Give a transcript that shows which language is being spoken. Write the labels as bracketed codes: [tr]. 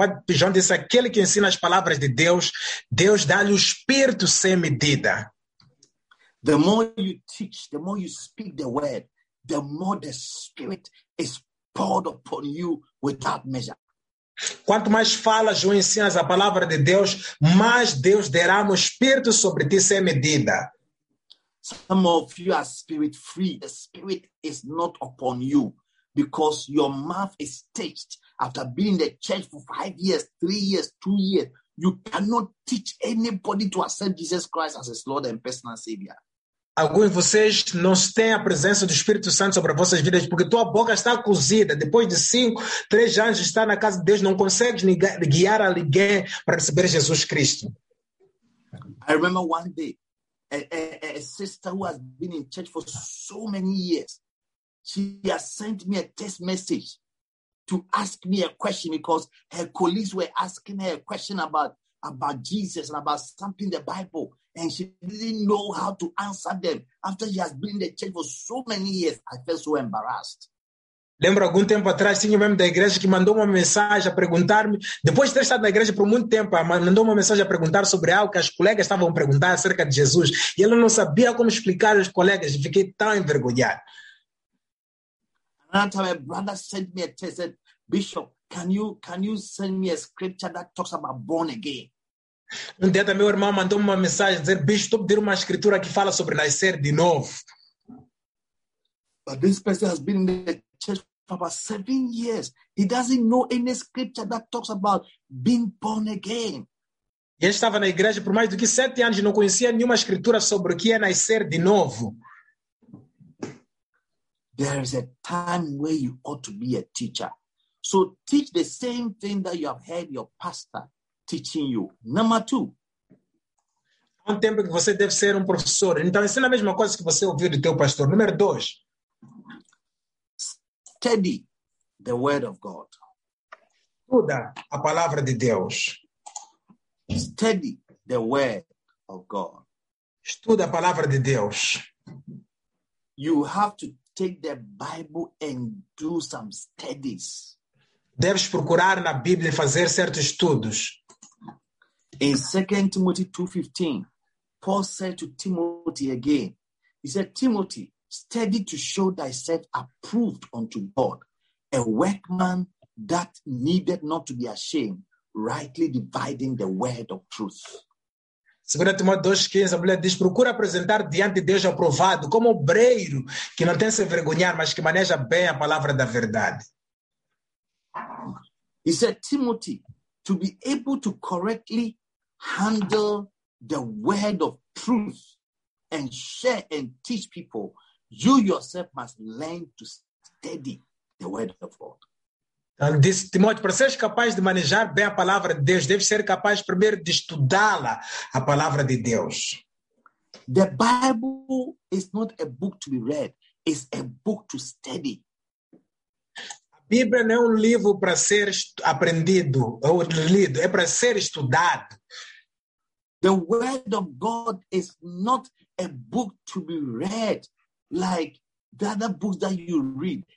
[pt] João disse, aquele que ensina as palavras de Deus, Deus dá-lhe o Espírito sem medida. [en] The more you teach, the more you speak the word, the more the Spirit is poured upon you without measure. [pt] Quanto mais falas ou ensinas a palavra de Deus, mais Deus derá o Espírito sobre ti sem medida. [en] Some of you are spirit free. The Spirit is not upon you. Because your mouth is staged after being in the church for 5 years, 3 years, 2 years, you cannot teach anybody to accept Jesus Christ as his Lord and personal Savior. [pt] Alguns de vocês não têm a presença do Espírito Santo sobre vossas vidas porque tua boca está cozida. Depois de 5, 3 anos de estar na casa de Deus, não consegues guiar alguém para receber Jesus Cristo. [en] I remember one day, a sister who has been in church for so many years, she has sent me a text message to ask me a question because her colleagues were asking her a question about Jesus and about something in the Bible, and she didn't know how to answer them. After she has been in the church for so many years, I felt so embarrassed. [pt] Lembro algum tempo atrás, tinha um membro da igreja que mandou uma mensagem a perguntar-me, depois de ter estado na igreja por muito tempo, mandou uma mensagem a perguntar sobre algo que as colegas estavam a perguntar acerca de Jesus, e ela não sabia como explicar aos colegas, fiquei tão envergonhado. [en] Another time, a brother sent me a text, said, Bishop, can you send me a scripture that talks about born again? [pt] Um dia também, meu irmão mandou uma mensagem, dizendo, Bishop, estou a pedir uma escritura que fala sobre nascer de novo. [en] But this person has been in the church for about 7 years. He doesn't know any scripture that talks about being born again. [pt] Ele estava na igreja por mais do que 7 anos e não conhecia nenhuma escritura sobre o que é nascer de novo. [en] There is a time where you ought to be a teacher. So teach the same thing that you have heard your pastor teaching you. Number two. [pt] Há um tempo que você deve ser professor. Então ensina a mesma coisa que você ouviu do teu pastor. Número dois. [en] Study the word of God. [pt] Estuda a palavra de Deus. [en] Study the word of God. [pt] Estuda a palavra de Deus. [en] You have to take the Bible and do some studies. [pt] Deves procurar na Bíblia e fazer certos estudos. [en] In 2 Timothy 2:15, Paul said to Timothy again. He said, Timothy, study to show thyself approved unto God, a workman that needed not to be ashamed, rightly dividing the word of truth. [pt] 2 Timóteo 2,15, a mulher diz, procura apresentar diante de Deus aprovado, como obreiro, que não tem se envergonhar, mas que maneja bem a palavra da verdade. [en] He said, Timothy, to be able to correctly handle the word of truth and share and teach people, you yourself must learn to study the word of God. [pt] Então disse, Timóteo, para seres capaz de manejar bem a palavra de Deus, deve ser capaz primeiro de estudá-la, a palavra de Deus. [en] The Bible is not a book to be read, it's a book to study. [pt] A Bíblia não é um livro para ser aprendido ou lido, é para ser estudado. [en] The Word of God is not a book to be read, like the other books that you read.